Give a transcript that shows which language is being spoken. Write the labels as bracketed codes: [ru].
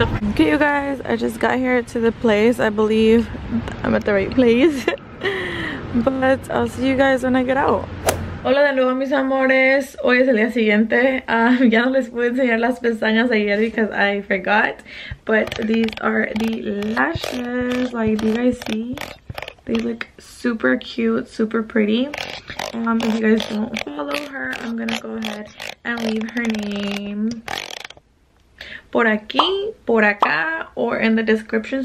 [en] Okay, you guys, I just got here to the place. I believe I'm at the right place. But I'll see you guys when I get out. [es] Hola de nuevo, mis amores. Hoy es el día siguiente. Ya no les pude enseñar las pestañas ayer [en] because I forgot. But these are the lashes. Like, do you guys see? They look super cute, super pretty. If you guys don't follow her, I'm gonna go ahead and leave her name [es] por aquí, por acá, [en] or in the description.